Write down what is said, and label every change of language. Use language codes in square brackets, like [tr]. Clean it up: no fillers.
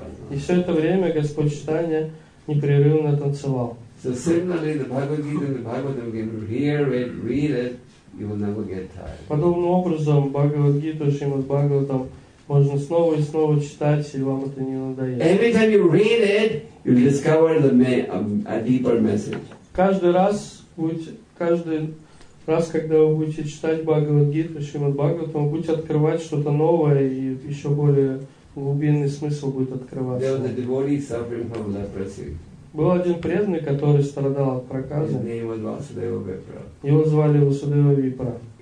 [ru] И все это время Господь Чайтанья непрерывно танцевал. [en] So similarly, the Bhagavad Gita and the Bhagavatam, if you hear it, read it, you will never get tired. [ru] Подобным образом Бхагавад Гиту, Шримад Бхагаватам можно снова и снова читать, и вам это не надоест. [en] Every time you read it, you discover a deeper message. [ru] Каждый раз, когда вы будете читать Бхагавад Гиту, Шримад Бхагаватам, будете открывать что-то новое и еще более глубинный смысл будет открываться. [en] There was a devotee suffering from leprosy. [ru] Был один преданный, который страдал от проказа. Его звали Васудева Випра.